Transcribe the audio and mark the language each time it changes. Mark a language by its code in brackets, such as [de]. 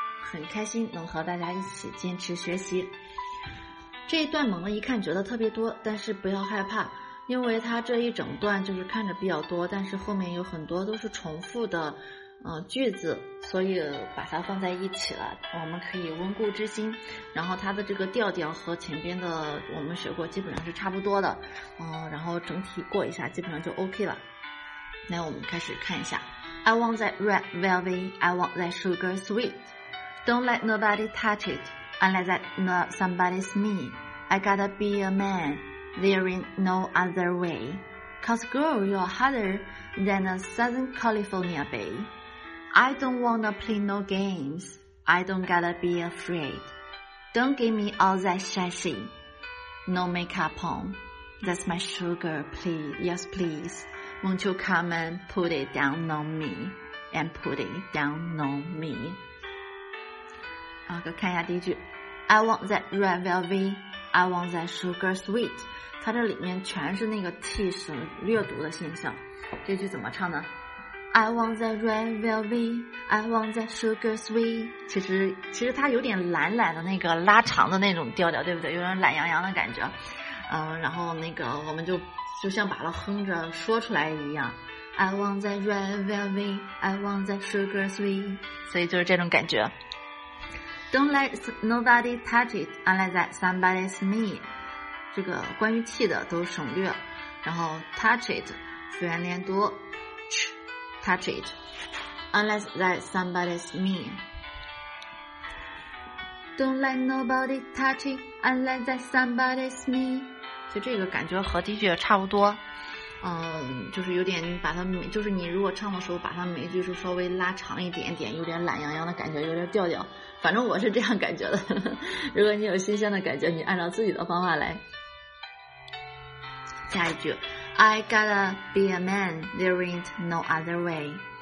[zh] 很开心能和大家一起坚持学习这一段，猛了一看觉得特别多，但是不要害怕，因为它这一整段就是看着比较多，但是后面有很多都是重复的句子，所以把它放在一起了，我们可以温故知新。然后它的这个调调和前边的我们学过基本上是差不多的，然后整体过一下基本上就 OK 了。来，我们开始看一下。 [en] I want that red velvet, I want that sugar sweet. Don't let nobody touch it, unless that not somebody's me. I gotta be a man, there ain't no other way. Cause girl, you're hotter than a Southern California bay. I don't wanna play no games, I don't gotta be afraid. Don't give me all that sassy, no makeup on. That's my sugar, please, yes please. Won't you come and put it down on me, and put it down on me. [zh] 好，看一下第一句。 [en] I want that red velvet, I want that sugar sweet. [zh] 它这里面全是那个气势掠夺的现象。这句怎么唱呢？ [en] I want that red velvet, I want that sugar sweet. [zh] 其实它有点懒懒的那个拉长的那种调调，对不对？有点懒洋洋的感觉。然后那个我们就像把它哼着说出来一样。 [en] I want that red velvet, I want that sugar sweet. [zh] 所以就是这种感觉。 [en] Don't let nobody touch it, unless that somebody's me. [zh] 这个关于气的都省略。然后 [en] touch it, [zh] 复元连读。 [en] Touch it, unless that somebody's me. Don't let nobody touch it, unless that somebody's me. [zh] 就这个感觉和第一句差不多，就是有点把它，就是你如果唱的时候把它每句是稍微拉长一点点，有点懒洋洋的感觉，有点调调。反正我是这样感觉的。如果你有新鲜的感觉，你按照自己的方法来。下一句。 [en] I gotta be a man, there ain't no other way.